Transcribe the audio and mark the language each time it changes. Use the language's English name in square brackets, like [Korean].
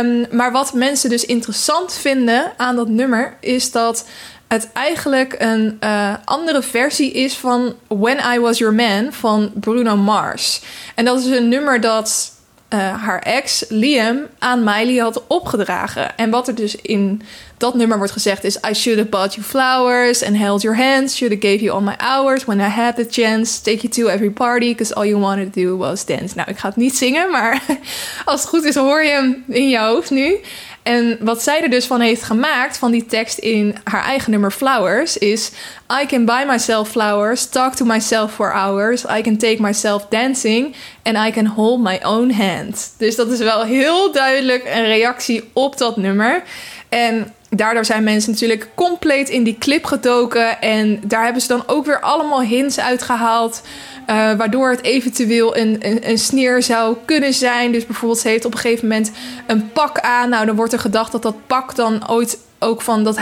[Dutch] Maar wat mensen dus interessant vinden aan dat nummer is dat het eigenlijk een andere versie is van When I Was Your Man van Bruno Mars. En dat is een nummer dat haar ex Liam aan Miley had opgedragen. En wat er dus in dat nummer wordt gezegd is... [English] I should have bought you flowers and held your hands. Should have gave you all my hours when I had the chance. Take you to every party because all you wanted to do was dance. [Dutch] Nou, ik ga het niet zingen, maar als het goed is hoor je hem in je hoofd nu. En wat zij er dus van heeft gemaakt, van die tekst in haar eigen nummer Flowers, is... [English] I can buy myself flowers, talk to myself for hours. I can take myself dancing and I can hold my own hand. [Dutch] Dus dat is wel heel duidelijk een reactie op dat nummer. En daardoor zijn mensen natuurlijk compleet in die clip gedoken. En daar hebben ze dan ook weer allemaal hints uitgehaald. Waardoor het eventueel een sneer zou kunnen zijn. Dus bijvoorbeeld ze heeft op een gegeven moment een pak aan. Nou, dan wordt er gedacht dat dat pak dan ooit ook van...